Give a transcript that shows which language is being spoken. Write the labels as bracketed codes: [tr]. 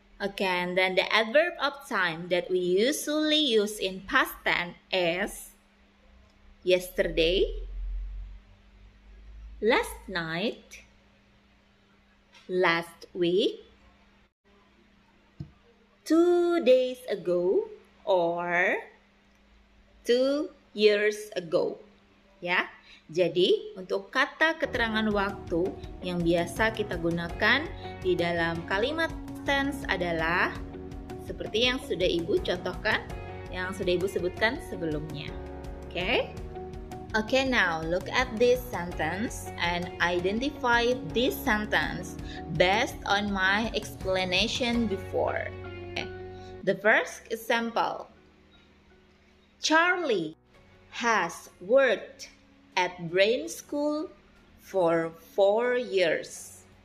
[en] Okay, and then the adverb of time that we usually use in past tense is yesterday, last night, last week, 2 days ago, or 2 years ago, ya. [id] Jadi untuk kata keterangan waktu yang biasa kita gunakan di dalam kalimat tense adalah seperti yang sudah ibu contohkan, yang sudah ibu sebutkan sebelumnya. [en] Okay, now look at this sentence and identify this sentence based on my explanation before. The first example, Charlie has worked at Brain School for 4 years.